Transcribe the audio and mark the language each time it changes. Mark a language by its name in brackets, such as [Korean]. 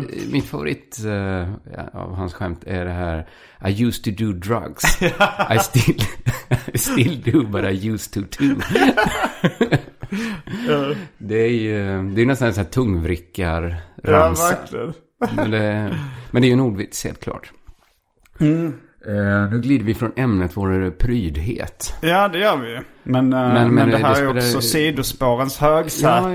[Swedish] Mitt favorit av hans skämt är det här... [English] I used to do drugs. I still do, but I used to too. [Swedish] Det är nästan en sån här tungvrickar ramsa. Ja, verkligen. men det är ju en ordvits, helt klart. Mm. Nu glider vi från ämnet vår prydhet. Ja, det gör vi. Men det här det spelar... är också sidospårens högsäte.